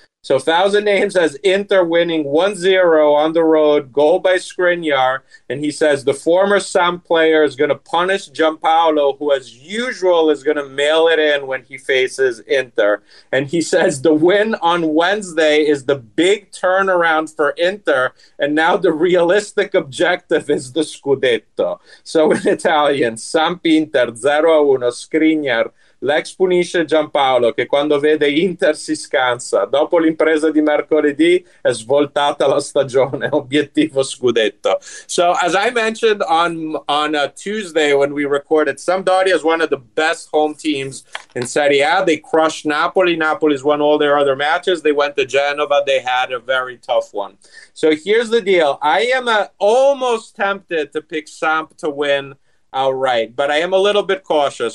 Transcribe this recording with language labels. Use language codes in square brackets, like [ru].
[en] So Thousand Names has Inter winning 1-0 on the road, goal by Skriniar, and he says the former Samp player is going to punish Giampaolo, who as usual is going to mail it in when he faces Inter. And he says the win on Wednesday is the big turnaround for Inter, and now the realistic objective is the Scudetto. So in Italian, Samp Inter 0-1, Skriniar. [it] L'ex punisce Giampaolo, che quando vede Inter si scansa. Dopo l'impresa di mercoledì è svoltata la stagione. Obiettivo scudetto. [en] So, as I mentioned on Tuesday when we recorded, Sampdoria is one of the best home teams in Serie A. They crushed Napoli. Napoli's won all their other matches. They went to Genova. They had a very tough one. So, here's the deal. I am almost tempted to pick Samp to win outright, but I am a little bit cautious.